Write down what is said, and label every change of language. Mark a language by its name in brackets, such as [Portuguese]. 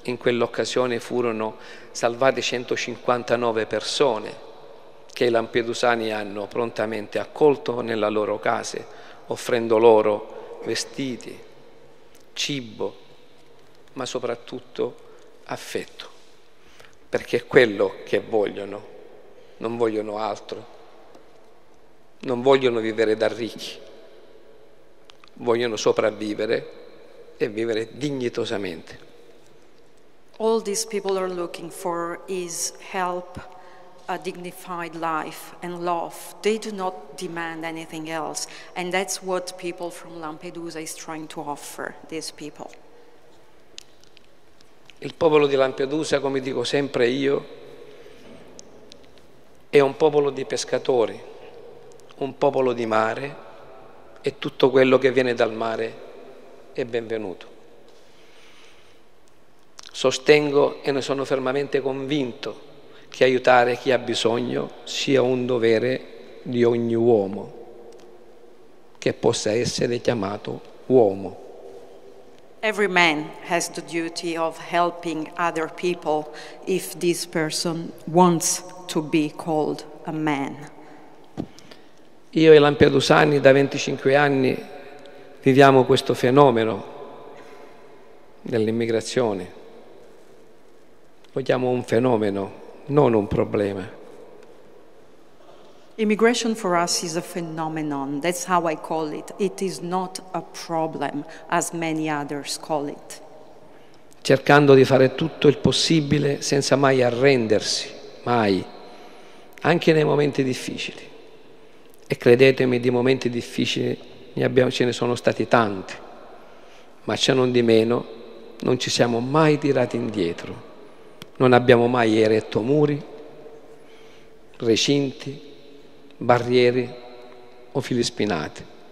[Italian] In quell'occasione furono salvate 159 persone che i lampedusani hanno prontamente accolto nella loro casa, offrendo loro vestiti, cibo, ma soprattutto affetto, perché è quello che vogliono, non vogliono altro, non vogliono vivere da ricchi, vogliono sopravvivere e vivere dignitosamente. [English] All these people are looking for is help, a dignified life and love. They do not demand anything else, and that's what people from Lampedusa is trying to offer these people. [Italian] Il popolo di Lampedusa, come dico sempre io, è un popolo di pescatori, un popolo di mare, e tutto quello che viene dal mare e benvenuto. Sostengo e ne sono fermamente convinto che aiutare chi ha bisogno sia un dovere di ogni uomo che possa essere chiamato uomo. [English] Every man has the duty of helping other people if this person wants to be called a man. [Italian] Io e Lampedusani da 25 anni viviamo questo fenomeno dell'immigrazione. Vogliamo un fenomeno, non un problema. [English] Immigration for us is a phenomenon. That's how I call it. It is not a problem, as many others call it. [Italian] Cercando di fare tutto il possibile senza mai arrendersi, mai, anche nei momenti difficili. E credetemi, di momenti difficili ce ne sono stati tanti, ma ciò non di meno non ci siamo mai tirati indietro, non abbiamo mai eretto muri, recinti, barriere o fili spinati.